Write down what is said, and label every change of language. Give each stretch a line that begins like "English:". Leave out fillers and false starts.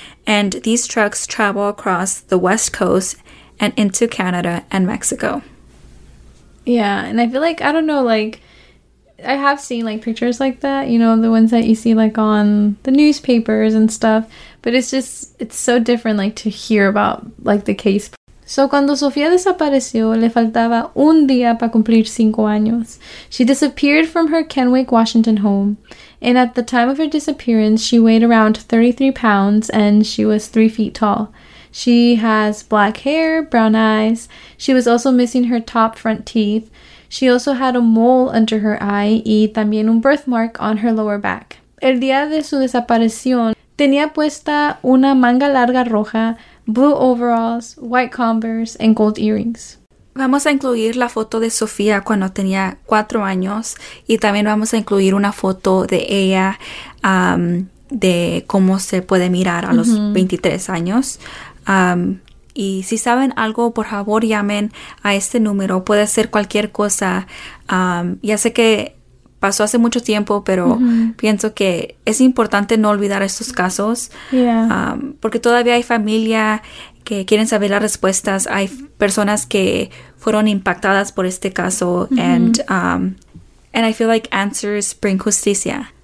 English: And these trucks travel across the West Coast and into Canada and Mexico. Yeah, and I feel like, I don't know, like, I have seen, like, pictures like that, you know, the ones that you see, like, on the newspapers and stuff. But it's just, it's so different, like, to hear about, like, the case.
Spanish: So, cuando Sofía desapareció, le faltaba un día para cumplir 5 años.
English: She disappeared from her Kennewick, Washington home. And at the time of her disappearance, she weighed around 33 pounds and she was 3 feet tall. She has black hair, brown eyes. She was also missing her top front teeth. She also had a mole under her eye
Spanish: y también un
English: birthmark on her lower back.
Spanish: El día de su desaparición, tenía puesta una manga larga roja,
English: blue overalls, white Converse, and gold earrings.
Spanish: Vamos a incluir la foto de Sofía cuando tenía 4 años y también vamos a incluir una foto de ella de cómo se puede mirar a los 23 años. Y si saben algo, por favor llamen a este número. Puede ser cualquier cosa. Ya sé que pasó hace mucho tiempo, pero pienso que es importante no olvidar estos casos.
English: Yeah.
Spanish: Porque todavía hay familia que quieren saber las respuestas. Hay personas que fueron impactadas por este caso.
English: And I feel like answers bring justicia.